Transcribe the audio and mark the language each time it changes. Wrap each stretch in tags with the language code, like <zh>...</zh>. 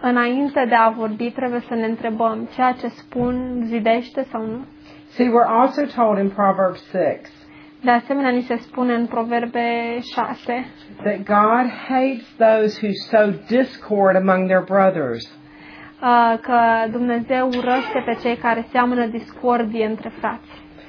<ro>Înainte de a vorbi, trebuie să ne întrebăm, ceea ce spun zidește sau nu?</ro> <en>See, we're also told in Proverbs 6.</en> <ro>De asemenea, ni se spune în Proverbe 6.</ro> <en>That God hates those who sow discord among their brothers.</en> <ro>Că Dumnezeu urăște pe cei care seamănă discordie între frați.</ro>